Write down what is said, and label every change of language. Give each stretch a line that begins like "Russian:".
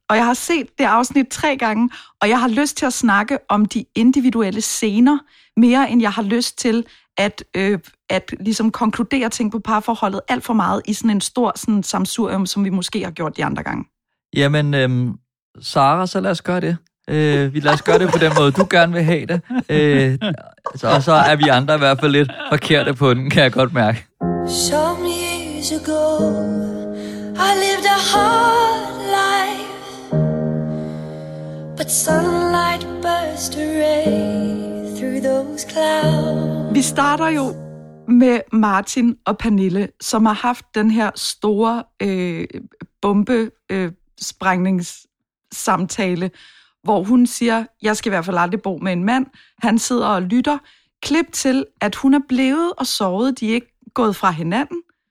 Danish: Og jeg har set det afsnit 3 gange, og jeg har lyst til at snakke om de individuelle scener, mere end jeg har lyst til at ligesom konkludere ting på parforholdet alt for meget i sådan en stor sådan samsurium, som vi måske har gjort de andre gange. Jamen, Sara, så lad os gøre det. Lad os gøre det på den måde, du gerne vil have det. Så er vi andre i hvert fald lidt forkerte på den, kan jeg godt mærke.
English: Some years ago, I lived a hard life, but sunlight burst away through those clouds.
Danish: Vi starter jo med Martin og Pernille, som har haft den her store bombesprængningssamtale, hvor hun siger, jeg skal i hvert fald aldrig bo med en mand. Han sidder og lytter. Klip til, at hun er blevet og sovet, de er ikke gået fra hinanden.